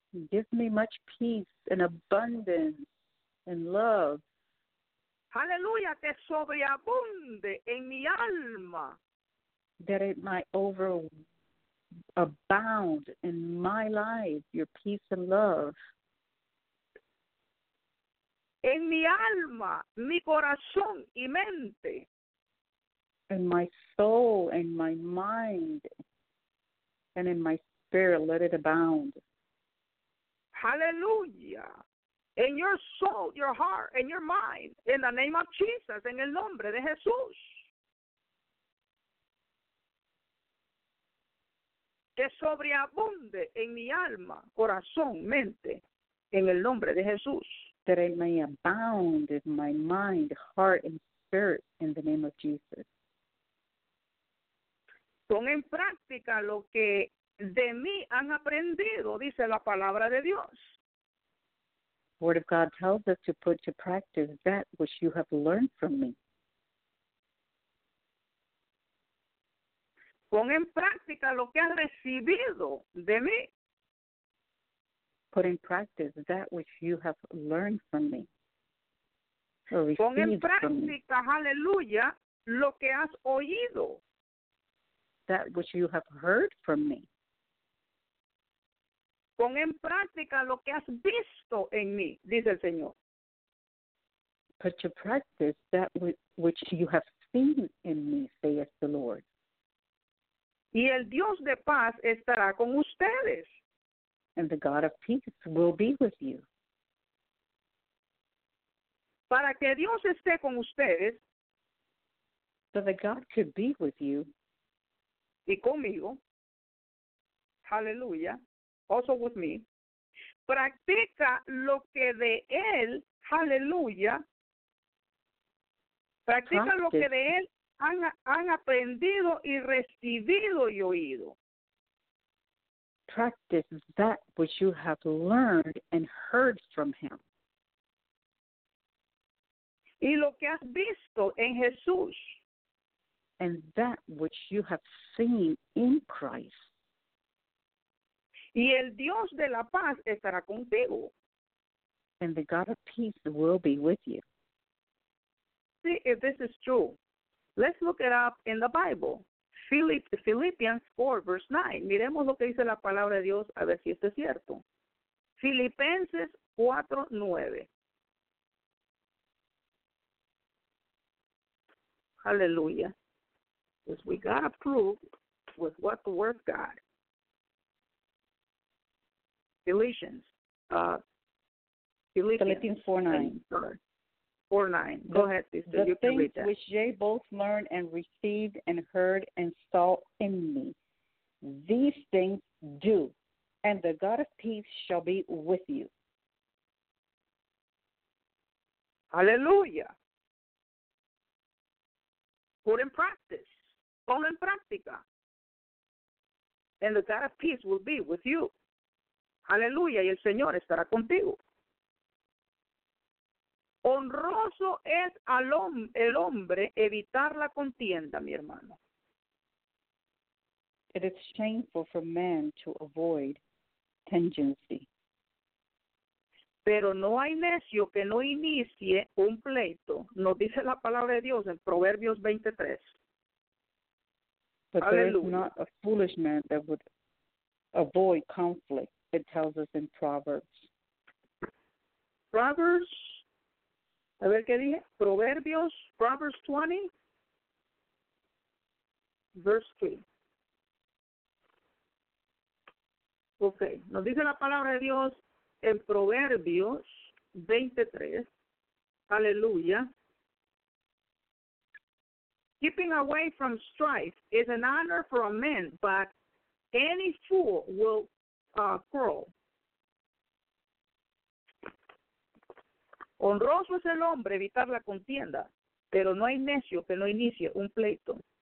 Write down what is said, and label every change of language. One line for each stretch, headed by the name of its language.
English: Give me much peace and abundance and love.
Spanish: Hallelujah, que sobreabunde en mi alma.
English: That it might abound in my life, your peace and love.
Spanish: En mi alma, mi corazón y mente.
English: In my soul, in my mind, and in my spirit, let it abound. Hallelujah. In your soul, your heart, and your mind, in the name of Jesus,
Spanish: en el nombre de Jesús. Que sobreabunde en mi alma, corazón, mente, en el nombre de Jesús.
English: That it may abound in my mind, heart, and spirit in the name of Jesus.
Spanish: Pon en práctica lo que de mí han aprendido, dice la palabra de Dios.
English: Word of God tells us to put to practice that which you have learned from me.
Spanish: Pon en práctica lo que has recibido de mí.
English: Put in practice that which you have learned from me.
Spanish: Pon en práctica, aleluya, lo que has oído.
English: That which you have heard from me.
Spanish: Pon en práctica lo que has visto en mí, dice el Señor.
English: Put to practice that which you have seen in me, saith the Lord.
Spanish: Y el Dios de paz estará con ustedes.
English: And the God of peace will be with you.
Spanish: Para que Dios esté con ustedes.
English: So that God could be with you.
Spanish: Y conmigo.
English: Hallelujah. Also with me.
Spanish: Practica lo que de él. Hallelujah. Practica
English: practice
Spanish: lo que de él. Han aprendido y recibido y oído.
English: Practice that which you have learned and heard from him.
Spanish: Y lo que has visto en Jesús.
English: And that which you have seen in Christ.
Spanish: Y el Dios de la paz estará contigo.
English: and the God of peace will be with you. See if this is true. Let's look it up in the Bible. Philippians 4, verse 9.
Spanish: Miremos lo que dice la palabra de Dios, a ver si esto es cierto. Filipenses 4, 9. Hallelujah.
English: Because we got approved with what the word of God. Philippians. Philippians 4, 9. 4, 9. Go ahead, sister. You can read that. The things which ye both learned and received and heard and saw in me, these things do, and the God of peace shall be with you. Hallelujah. Put in practice.
Spanish: Pon en práctica.
English: And the God of peace will be with you.
Spanish: Hallelujah. Y el Señor estará contigo. Honroso es el hombre evitar la contienda, mi hermano.
English: It is shameful for man to avoid contingency.
Spanish: Pero no hay necio que no inicie un pleito, nos dice la palabra de Dios en Proverbios 23.
English: But there is not a foolish man that would avoid conflict, it tells us in Proverbs.
Spanish: Proverbs, a ver qué dije, Proverbios, Proverbs 20, verse 3. Ok, nos dice la palabra de Dios en Proverbios 23, aleluya.
English: Keeping away from strife is an honor for a man, but any fool will quarrel.
Spanish: Honroso es el hombre evitar la contienda, pero no hay necio que no inicie un pleito.